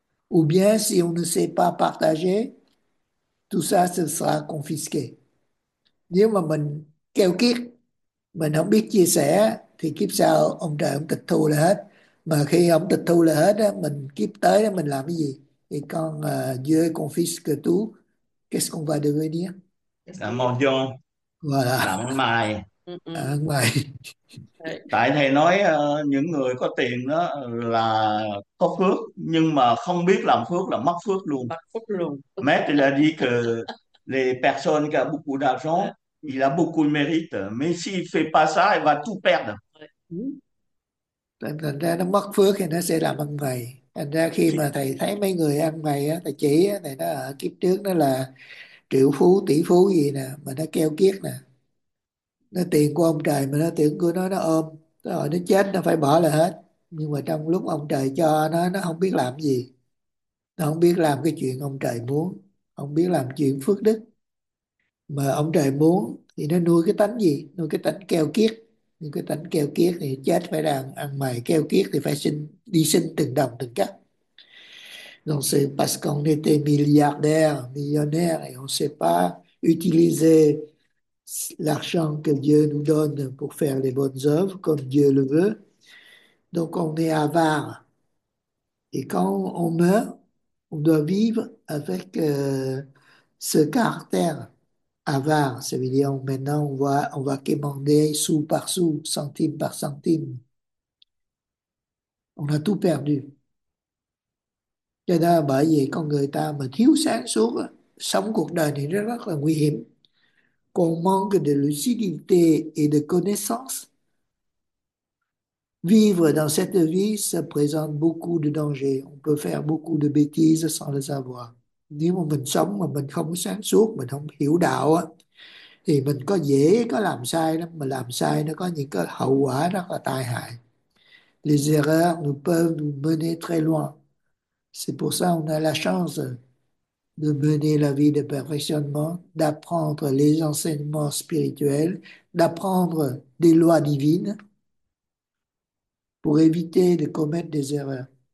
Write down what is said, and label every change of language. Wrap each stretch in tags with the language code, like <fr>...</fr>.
<fr>Ou bien, si on ne sait pas partager, tout ça, ce sera confisqué.</fr> <vi>Nếu mà mình keo kiết, mình không biết chia sẻ, thì kiếp sau, ông trời ông tịch thu là hết. Mà khi ông tịch thu là hết á, mình kiếp tới đó mình làm cái gì? Thì con</vi> <fr>Dieu confisque tout, qu'est-ce qu'on va devenir?</fr> <vi>Cảm ơn John,</vi> <fr>Voilà.</fr> <vi>cảm ơn Mai. ở ngoài. Tại thầy nói những người có tiền đó là có phước, nhưng mà không biết làm phước là mất phước luôn. Mất phước luôn.</vi> <fr>Maître l'a dit que les personnes qui ont beaucoup d'argent, il a beaucoup de mérite, mais s'il fait pas ça, il va tout perdre.</fr> <vi>Thành ra nó mất phước thì nó sẽ làm ăn mày. Thành ra khi mà thầy thấy mấy người ăn mày á, thầy chỉ á, thầy nó ở kiếp trước nó là triệu phú, tỷ phú gì nè, mà nó keo kiết nè. Nó tiền của ông trời mà nó tưởng của nó ôm. Rồi nó chết nó phải bỏ lại hết. Nhưng mà trong lúc ông trời cho nó không biết làm gì. Nó không biết làm cái chuyện ông trời muốn. Không biết làm chuyện phước đức. Mà ông trời muốn thì nó nuôi cái tánh gì? Nuôi cái tánh keo kiết. Nhưng cái tánh keo kiết thì chết phải đang ăn mày keo kiết thì phải sinh đi sinh từng đồng từng cắt.</vi> <fr>Donc c'est parce qu'on était milliardaire, millionnaire et on sait pas utiliser l'argent que Dieu nous donne pour faire les bonnes œuvres comme Dieu le veut. Donc on est avare. Et quand on meurt, on doit vivre avec ce caractère. Avare, ça veut dire maintenant on va quémander sou par sou, centime par centime. On a tout perdu.</fr> <vi>Cho nên bởi vì con người ta mà thiếu sáng suốt, sống cuộc đời này rất là nguy hiểm.</vi> <fr>Qu'on manque de lucidité et de connaissance, vivre dans cette vie, ça présente beaucoup de dangers. On peut faire beaucoup de bêtises sans le savoir.</fr> <vi>Nếu mà mình sống mà mình không có sáng suốt, mình không hiểu đạo á, thì mình có dễ có làm sai lắm, mà làm sai nó có những cái hậu quả rất là tai hại.</vi> <fr>Les erreurs nous peuvent nous mener très loin. C'est pour ça qu'on a la chance de mener la vie de perfectionnement, d'apprendre les enseignements spirituels, d'apprendre des lois divines pour éviter de commettre des erreurs.</fr>